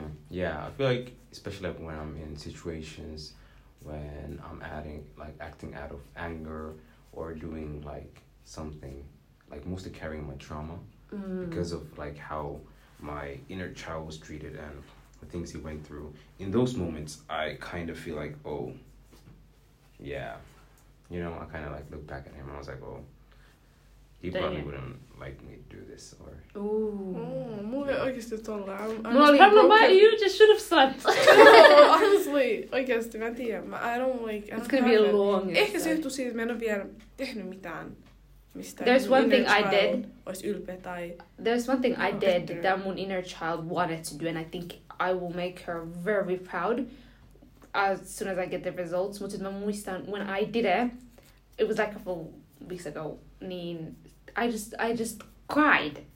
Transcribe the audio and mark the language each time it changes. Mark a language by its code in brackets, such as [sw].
[en] Yeah, I feel like, especially like when I'm in situations when I'm acting out of anger or doing like something, like mostly carrying my trauma because of like how my inner child was treated and the things he went through. In those moments, I kind of feel like, oh, yeah. You know, I kind of like look back at him and I was like, oh. He probably wouldn't like me to do this, or... Ooh. [fi] Oh, mulle oikeasti tolleen. [en] I'm just broken. You just should have slept. [fi] No, honestly, oikeasti, mä en tiedä. [en] I don't like... It's gonna be a long... [fi] Ehkä se johtuu siitä, että mä en ole vielä tehnyt mitään. [en] There's one thing I did. [fi] Olisi ylpeä tai... [en] There's one thing I did that mun inner child wanted to do, and I think I will make her very proud as soon as I get the results. Mutta mä muistan, when I did it, it was like a couple weeks ago, niin... I just cried.